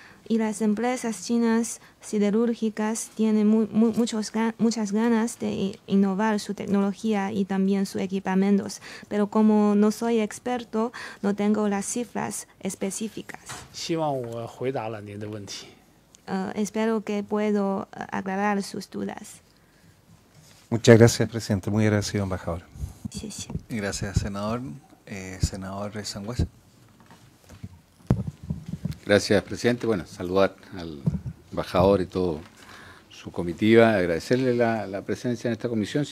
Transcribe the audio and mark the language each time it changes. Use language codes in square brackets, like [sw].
[es] Y las empresas chinas siderúrgicas tienen muchas ganas de innovar su tecnología y también sus equipamientos, pero como no soy experto, no tengo las cifras específicas. [zh] 希望我回答了您的问题。 [es] Espero que puedo aclarar sus dudas. Muchas gracias, presidente. Muy agradecido, embajador. Gracias. Gracias, senador. Senador Sangüesa. Gracias, presidente. Bueno, saludar al embajador y todo su comitiva, agradecerle la presencia en esta comisión.